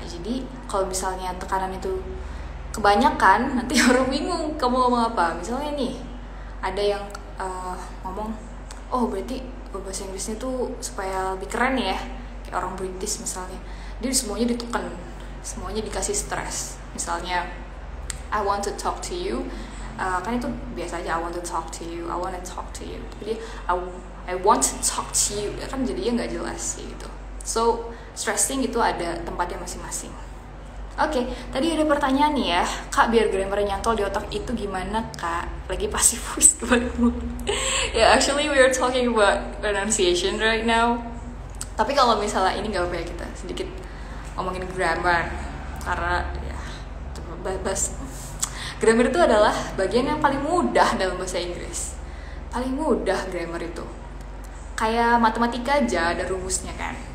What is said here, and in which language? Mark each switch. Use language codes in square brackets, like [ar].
[id] Jadi kalau misalnya tekanan itu kebanyakan, nanti orang bingung kamu ngomong apa. Misalnya nih ada yang ngomong, oh berarti bahasa Inggrisnya tuh supaya lebih keren ya, kayak orang British misalnya, dia semuanya ditekan, semuanya dikasih stress. [en] misalnya I want to talk to you, [id] kan itu biasa aja, [en] I want to talk to you, I want to talk to you. [id] Jadi [en] I want to talk to you, [id] kan jadinya nggak jelas sih gitu. So stressing itu ada tempatnya masing-masing. Oke, tadi ada pertanyaan nih ya, kak biar grammarnya nyantol di otak itu gimana kak? Lagi pasif voice kemarin. [en] Yeah, actually we are talking about pronunciation right now. [id] Tapi kalau misalnya ini nggak apa-apa ya, kita sedikit ngomongin grammar, karena ya bebas. Grammar itu adalah bagian yang paling mudah dalam bahasa Inggris. Paling mudah grammar itu. Kayak matematika aja ada rumusnya kan.